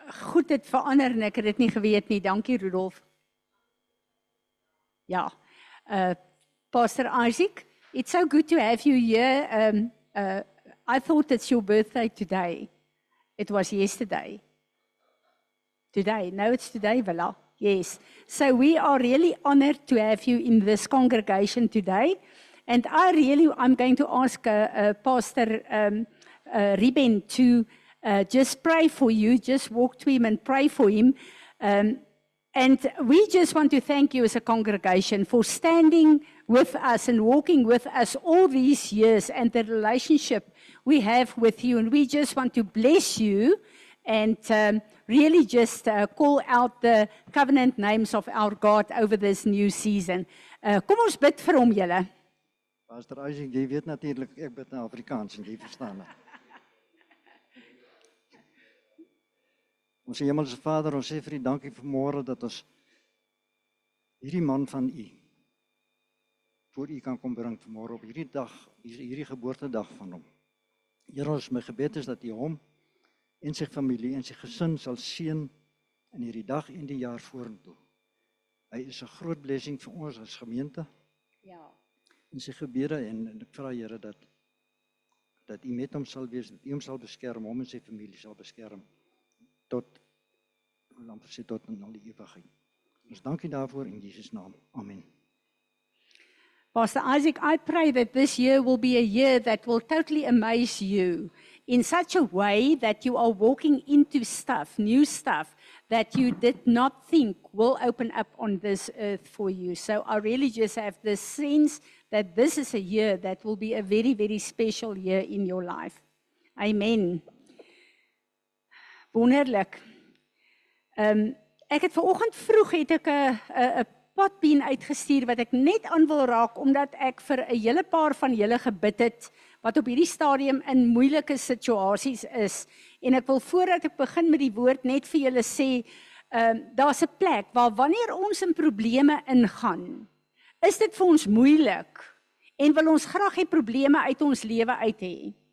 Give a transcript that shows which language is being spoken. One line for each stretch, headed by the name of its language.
Afrikaans: Goed het verander en ek het dit nie geweet nie. Dankie Rudolf. Ja.
English: Pastor Isaac, it's so good to have you here. I thought it's your birthday today. It was yesterday. Today, no, it's today, voilà. Yes, so we are really honored to have you in this congregation today. And I'm going to ask Pastor Riben to just pray for you, just walk to him and pray for him. And we just want to thank you as a congregation for standing with us and walking with us all these years and the relationship we have with you. And we just want to bless you and really just call out the covenant names of our God over this new season.
Afrikaans: Kom ons bid vir hom julle. Pastor Isaac, jy weet natuurlik ek bid in Afrikaans en jy verstaan my. Ons hemelse Vader, ons sê vir U dankie vanmôre dat ons hierdie man van U voor u kan kom bring vanmôre op hierdie dag, hierdie geboortedag van hom. Here, ons my gebed is dat u hom en sy familie en sy gesin sal seën in hierdie dag en die jaar vorentoe. Hy is 'n groot blessing vir ons as gemeente. Ja. In sy gebede en ek vra Here dat u met hom sal wees, dat u hom sal beskerm, hom en sy familie sal beskerm tot lang vir sy tot in al die ewigheid. Ons dank u daarvoor in Jesus naam. Amen.
English: Pastor Isaac, I pray that this year will be a year that will totally amaze you in such a way that you are walking into stuff, new stuff, that you did not think will open up on this earth for you. So I really just have this sense that this is a year that will be a very, very special year in your life.
Afrikaans: Amen. Wonderlik. Ek het vanoggend vroeg, het ek 'n potpien uitgestuur wat ek net aan wil raak, omdat ek vir 'n hele paar van julle gebid het, wat op hierdie stadium in moeilike situasies is. En ek wil voordat ek begin met die woord net vir julle sê, daar's 'n plek waar wanneer ons in probleme ingaan, is dit vir ons moeilik en wil ons graag die probleme uit ons lewe uit hê.